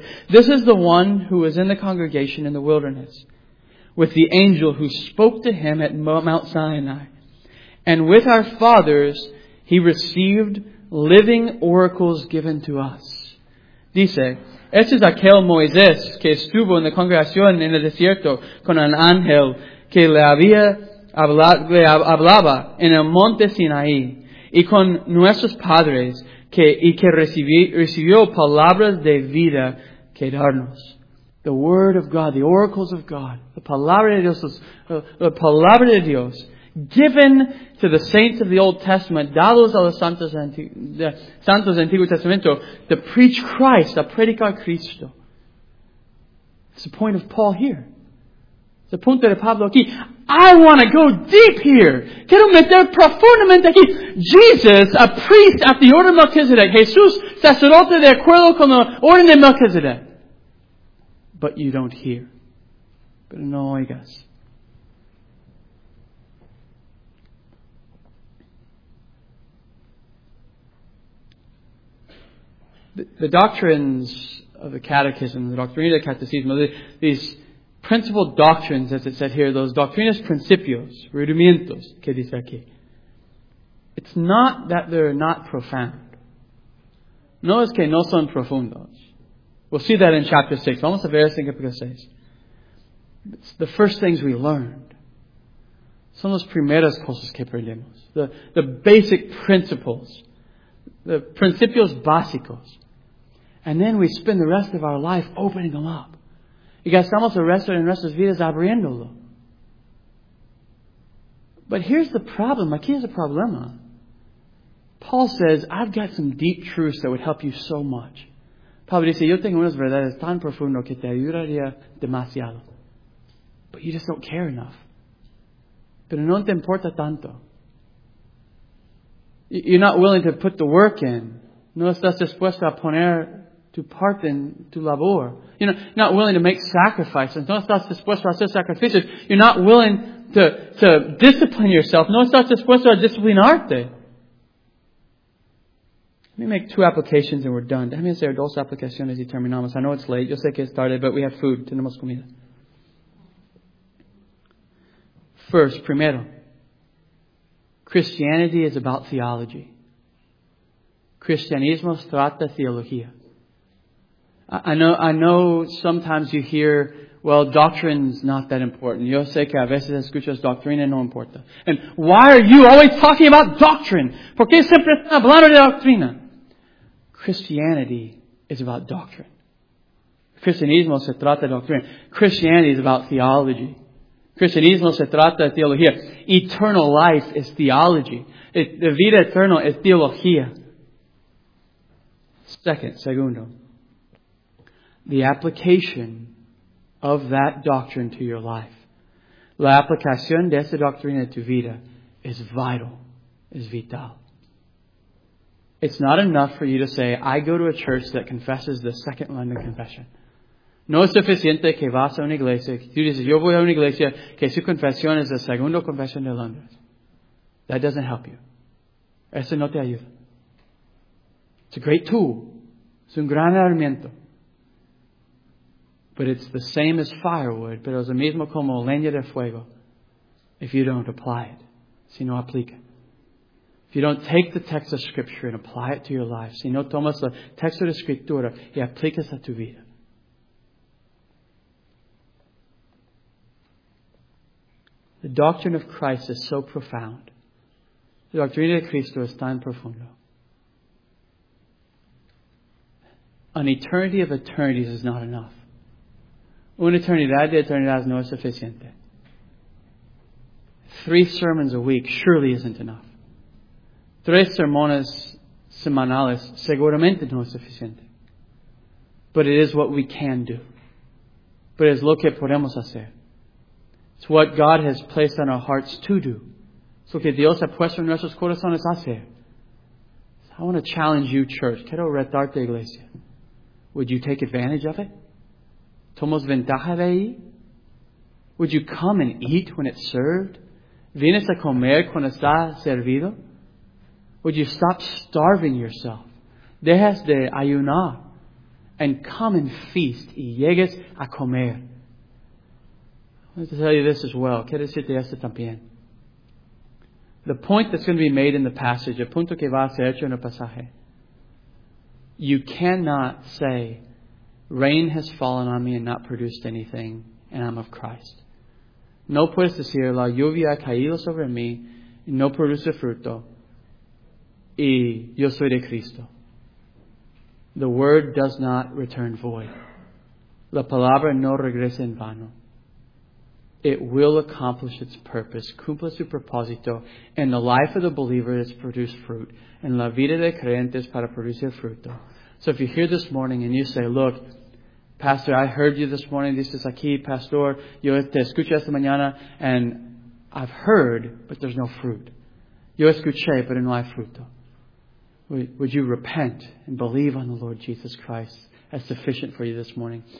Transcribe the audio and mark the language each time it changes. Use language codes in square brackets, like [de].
[en] This is the one who was in the congregation in the wilderness with the angel who spoke to him at Mount Sinai. And with our fathers, he received living oracles given to us. [es] Dice, este es aquel Moisés que estuvo en la congregación en el desierto con un ángel que le hablaba en el monte Sinaí y con nuestros padres que recibió palabras de vida que darnos. [en] The word of God, the oracles of God, the [es] palabra de Dios, [en] the [es] palabra de Dios, [en] given to the saints of the Old Testament, [es] dados a los santos del Antiguo Testamento, [en] to preach Christ, [es] a predicar Cristo. [en] It's the point of Paul here. It's the [es] punto de Pablo aquí. [en] I want to go deep here. [es] Quiero meter profundamente aquí. [en] Jesus, a priest at the order of Melchizedek. [es] Jesús, sacerdote de acuerdo con la orden de Melchizedek. [en] But you don't hear. [es] Pero no oigas. [en] The doctrines of the catechism, the [es] doctrina del catecismo, [en] these principal doctrines, as it said here, those [es] doctrinas principios, rudimentos, que dice aquí. [en] It's not that they're not profound. [es] No es que no son profundos. [en] We'll see that in chapter 6. [es] Vamos a ver eso en capítulo 6. [en] It's the first things we learned. [es] Son las primeras cosas que aprendimos. [en] The basic principles. [es] The principios básicos. [en] And then we spend the rest of our life opening them up. [es] Y gastamos el resto de nuestras vidas abriéndolo. [en] But here's the problem. [es] Aquí es el problema. [en] Paul says, I've got some deep truths that would help you so much. [es] Pablo dice, yo tengo unas verdades tan profundas que te ayudaría demasiado. [en] But you just don't care enough. [es] Pero no te importa tanto. [en] You're not willing to put the work in. [es] No estás dispuesto a poner tu parte en tu labor. [en] You're not willing to make sacrifices. [es] No estás dispuesto a hacer sacrificios. [en] You're not willing to discipline yourself. [es] No estás dispuesto a disciplinarte. [en] Let me make two applications and we're done. [es] Déjame hacer dos aplicaciones y terminamos. [en] I know it's late. [es] Yo sé que es tarde, [en] but we have food. [es] Tenemos comida. [en] First, primero, Christianity is about theology. [es] Cristianismo trata teología. [en] I know sometimes you hear, well, doctrine's not that important. [es] Yo sé que a veces escuchas doctrina no importa. [en] And why are you always talking about doctrine? [es] ¿Por qué siempre estás hablando de doctrina? [en] Christianity is about doctrine. [es] Cristianismo se trata de doctrina. [en] Christianity is about theology. [es] Cristianismo se trata de teología. [en] Eternal life is theology. [es] The vida eterna es teología. Segundo. [en] The application of that doctrine to your life. [es] La aplicación de esa doctrina a tu vida [en] is vital. Is vital. It's not enough for you to say, I go to a church that confesses the Second London Confession. [es] No es suficiente que vas a una iglesia. Tú dices, yo voy a una iglesia que su confesión es la Segunda Confesión de Londres. [en] That doesn't help you. [es] Eso no te ayuda. [en] It's a great tool. [es] Es un gran herramienta. [en] But it's the same as firewood, [es] pero es lo mismo como leña de fuego, [en] if you don't apply it, [es] si no aplica. [en] If you don't take the text of Scripture and apply it to your life, [es] si no tomas el texto de Escritura y aplicas a tu vida. [en] The doctrine of Christ is so profound. [es] La doctrina de Cristo es tan profundo. [en] An eternity of eternities is not enough. [es] Una eternidad de eternidades no es suficiente. [en] 3 sermons a week surely isn't enough. [es] 3 sermones semanales seguramente no es suficiente. [en] But it is what we can do. [es] Pero es lo que podemos hacer. [en] It's what God has placed on our hearts to do. [es] Es lo que Dios ha puesto en nuestros corazones hacer. [en] So I want to challenge you, church. [es] Quiero retarte, iglesia. [en] Would you take advantage of it? [es] ¿Tomas ventaja de ahí? [en] Would you come and eat when it's served? [es] ¿Vienes a comer cuando está servido? [en] Would you stop starving yourself? [es] Dejas de ayunar. [en] And come and feast. [es] Y llegues a comer. [en] I want to tell you this as well. [es] Quiero decirte esto también. [en] The point that's going to be made in the passage. [es] El punto que va a ser hecho en el pasaje. [en] You cannot say, rain has fallen on me and not produced anything, and I'm of Christ. [es] No puedes decir, la lluvia ha caído sobre mí y no produce fruto, y yo soy de Cristo. [en] The word does not return void. [es] La palabra no regresa en vano. [en] It will accomplish its purpose, [es] cumple su propósito, [en] and the life of the believer is to produce fruit, and [es] la vida de creyentes para producir fruto. [en] So if you're here this morning and you say, look, Pastor, I heard you this morning. This is aquí, Pastor. [es] Yo te escuché esta mañana, [en] and I've heard, but there's no fruit. [es] Yo escuché, pero no hay fruto. [en] Would you repent and believe on the Lord Jesus Christ as sufficient for you this morning?